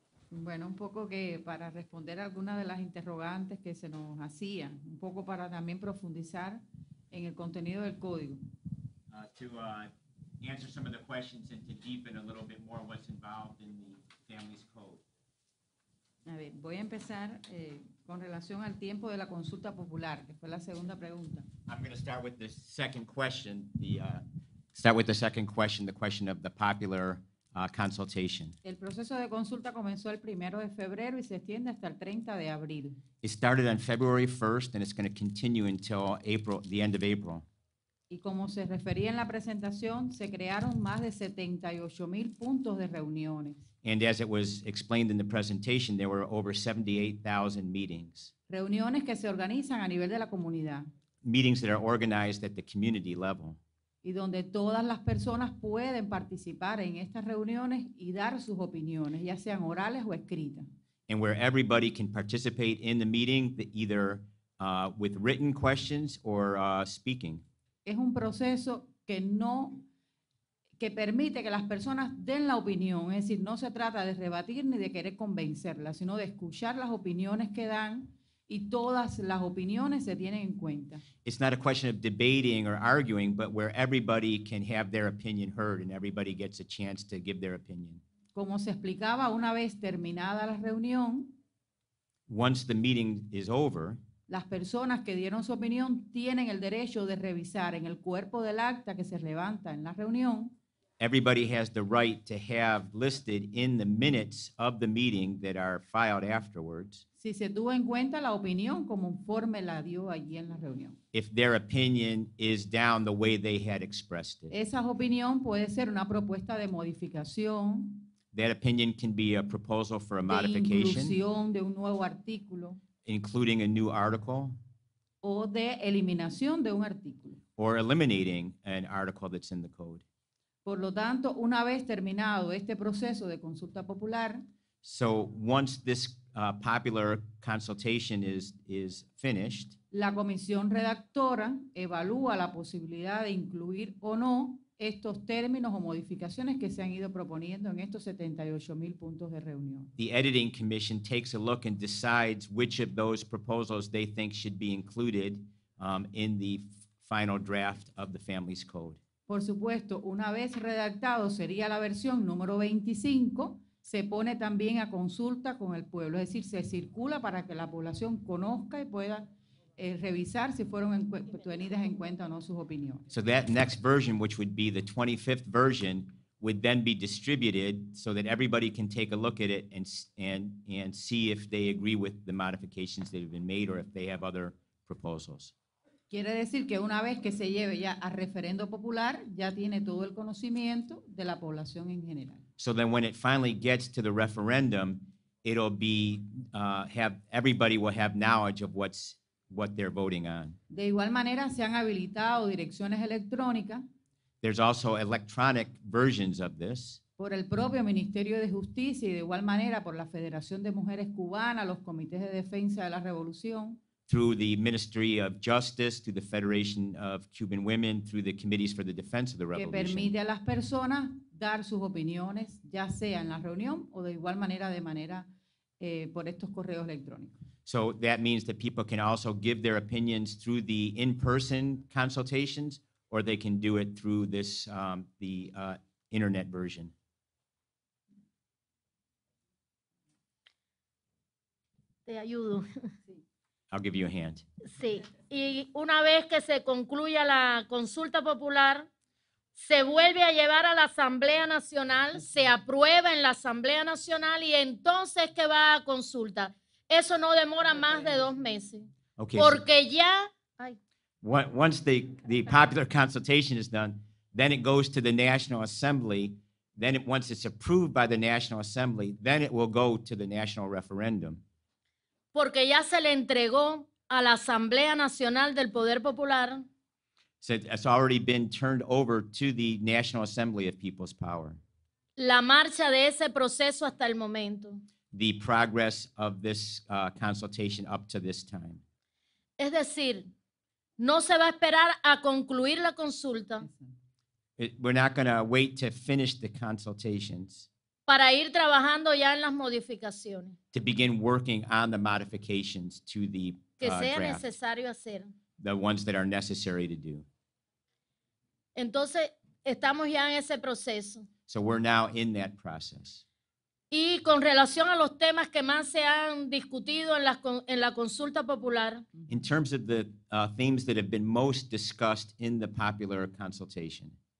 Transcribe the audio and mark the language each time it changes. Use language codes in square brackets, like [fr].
[es] Bueno, un poco que para responder algunas de las interrogantes que se nos hacían, un poco para también profundizar en el contenido del código. [en] To answer some of the questions and to deepen a little bit more what's involved in the Families Code. [es] A ver, voy a empezar con relación al tiempo de la consulta popular, que fue la segunda pregunta. [en] I'm going to start with the second question. Start with the second question, the question of the popular consultation. [es] El proceso de consulta comenzó el primero de febrero y se extiende hasta el 30 de abril. [en] It started on February 1st and it's going to continue until April, the end of April. [es] Y como se refería en la presentación, se crearon más de 78,000 puntos de reuniones. [en] And as it was explained in the presentation, there were over 78,000 meetings. [es] Reuniones que se organizan a nivel de la comunidad. [en] Meetings that are organized at the community level. [es] Y donde todas las personas pueden participar en estas reuniones y dar sus opiniones, ya sean orales o escritas. [en] And where everybody can participate in the meeting, either with written questions or speaking. [es] Es un proceso que no, que permite que las personas den la opinión. Es decir, no se trata de rebatir ni de querer convencerlas, sino de escuchar las opiniones que dan y todas las opiniones se tienen en cuenta. [en] It's not a question of debating or arguing, but where everybody can have their opinion heard and everybody gets a chance to give their opinion. [es] Como se explicaba, una vez terminada la reunión, [en] once the meeting is over, [es] las personas que dieron su opinión tienen el derecho de revisar en el cuerpo del acta que se levanta en la reunión. [en] Everybody has the right to have listed in the minutes of the meeting that are filed afterwards. [es] Si se tuvo en cuenta la opinión conforme la dio allí en la reunión. [en] If their opinion is down the way they had expressed it. [es] Esa opinión puede ser una propuesta de modificación. [en] That opinion can be a proposal for a modification, [es] de un nuevo artículo, [en] including a new article, [es] o de eliminación de un artículo, [en] or eliminating an article that's in the code. [es] Por lo tanto, una vez terminado este proceso de consulta popular, [en] so once this popular consultation is finished, [es] la comisión redactora evalúa la posibilidad de incluir o no estos términos o modificaciones que se han ido proponiendo en estos 78,000 puntos de reunión. [en] The editing commission takes a look and decides which of those proposals they think should be included in the final draft of the Families Code. [es] Por supuesto, una vez redactado sería la versión número 25, se pone también a consulta con el pueblo, es decir, se circula para que la población conozca y pueda revisar si fueron tenidas en cuenta o no sus opiniones. [en] So that next version, which would be the 25th version, would then be distributed so that everybody can take a look at it and see if they agree with the modifications that have been made or if they have other proposals. [es] Quiere decir que una vez que se lleve ya a referendo popular, ya tiene todo el conocimiento de la población en general. [en] So then when it finally gets to the referendum, it'll be, have everybody will have knowledge of what they're voting on. [es] De igual manera, se han habilitado direcciones electrónicas. [en] There's also electronic versions of this. [es] Por el propio Ministerio de Justicia y de igual manera por la Federación de Mujeres Cubanas, los Comités de Defensa de la Revolución. [en] Through the Ministry of Justice, through the Federation of Cuban Women, through the Committees for the Defense of the Revolution. [es] Que permite a las personas dar sus opiniones, ya sea en la reunión o de igual manera de manera por estos correos electrónicos. [en] So that means that people can also give their opinions through the in-person consultations, or they can do it through this internet version. [es] Te ayudo. [en] I'll give you a hand. [es] Sí. Y una vez que se concluya la consulta popular, se vuelve a llevar a la Asamblea Nacional, se aprueba en la Asamblea Nacional, y entonces que va a consulta. Eso no demora más de dos meses. [en] Okay, [es] porque so ya... [en] Once the popular consultation is done, then it goes to the National Assembly. Then it, once it's approved by the National Assembly, then it will go to the National Referendum. [es] Porque ya se le entregó a la Asamblea Nacional del Poder Popular. [en] So it's already been turned over to the National Assembly of People's Power. [es] La marcha de ese proceso hasta el momento. [en] The progress of this consultation up to this time. [es] Es decir, no se va a esperar a concluir la consulta. [en] We're not going to wait to finish the consultations. [es] Para ir trabajando ya en las modificaciones. [en] To begin working on the modifications to the [es] que sea [en] draft, [es] necesario hacer. [en] The ones that are necessary to do. [es] Entonces, estamos ya en ese proceso. [en] So we're now in that process. [es] Y con relación a los temas que más se han discutido en la consulta popular. [en] In terms of the themes that have been most discussed in the popular consultation.